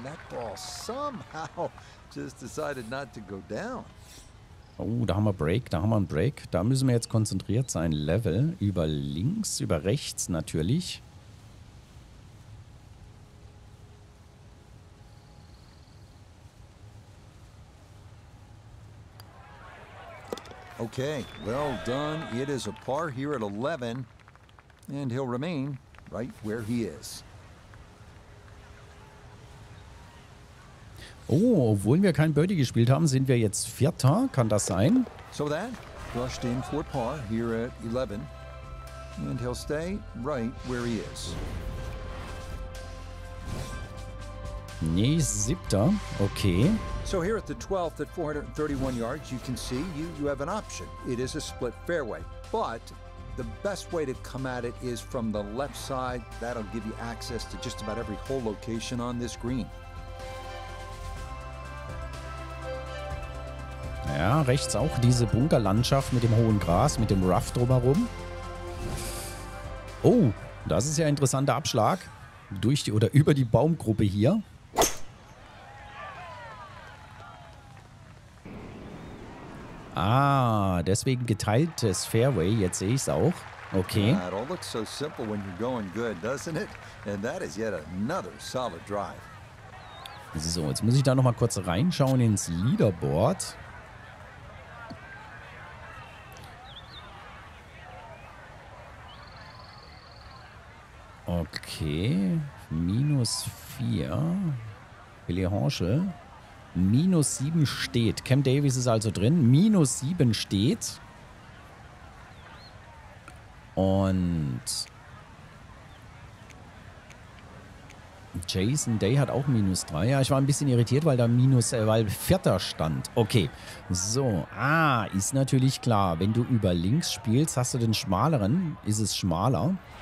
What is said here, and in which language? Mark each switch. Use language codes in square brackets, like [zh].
[en] That ball somehow just decided not to go down. [de] Oh, da haben wir Break, da haben wir einen Break. Da müssen wir jetzt konzentriert sein. Level über links, über rechts natürlich. [en] Okay, well done. It is a par here at 11. And he'll remain right where he is. [de] Oh, obwohl wir kein Birdie gespielt haben, sind wir jetzt Vierter. Kann das sein? [en] So that rushed in for par here at 11. And he'll stay right where he is. [de] Nee, Siebter. Okay. [en] So here at the 12th at 431 yards, you can see you have an option. It is a split fairway. But the best way to come at it is from the left side. That'll give you access to just about every hole location on this green. [de] Ja, rechts auch diese Bunkerlandschaft mit dem hohen Gras, mit dem Rough drumherum. Oh, das ist ja ein interessanter Abschlag. Durch die oder über die Baumgruppe hier. Ah, deswegen geteiltes Fairway, jetzt sehe ich es auch. Okay. [en] It all looks so simple when you're going good, doesn't it? And that is yet another solid drive. [de] So, jetzt muss ich da nochmal kurz reinschauen ins Leaderboard. Okay, minus 4, Billy Horschel, minus 7 steht, Cam Davis ist also drin, minus 7 steht und Jason Day hat auch minus 3, ja, ich war ein bisschen irritiert, weil da minus, weil Vierter stand, okay, so, ah, ist natürlich klar, wenn du über links spielst, hast du den schmaleren, ist es schmaler.